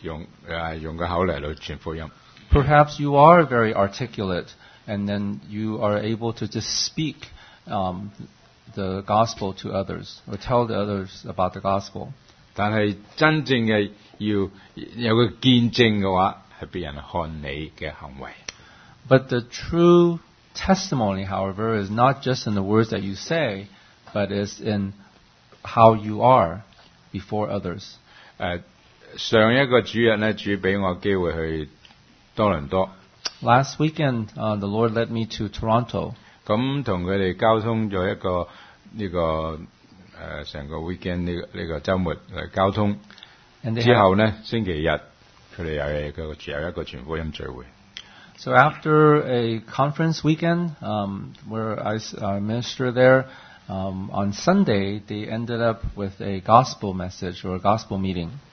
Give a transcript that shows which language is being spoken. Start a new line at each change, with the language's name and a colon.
Cantonese: 或者你好有口才，好识得讲话，你可以用个口嚟到传福音。
English: Perhaps you are very articulate, and then you are able to just speak the gospel to others, or tell the others about the gospel.
Cantonese: 但系真正嘅要有个见证嘅话，系别人看你嘅行为。
English: But the true testimony, however, is not just in the words that you say, but is in how you are before others.
Cantonese: 上一个主日咧，主俾我机会去多伦多。
English: Last weekend, the Lord led me to Toronto.
Cantonese: 咁同佢哋交通咗一个呢、这个成個 weekend 呢個週末嚟交通。之後呢星期日佢哋又係佢有一個全福音聚會。
English: So after a conference weekend, where I minister there, on Sunday, they ended up with a gospel message or a gospel meeting.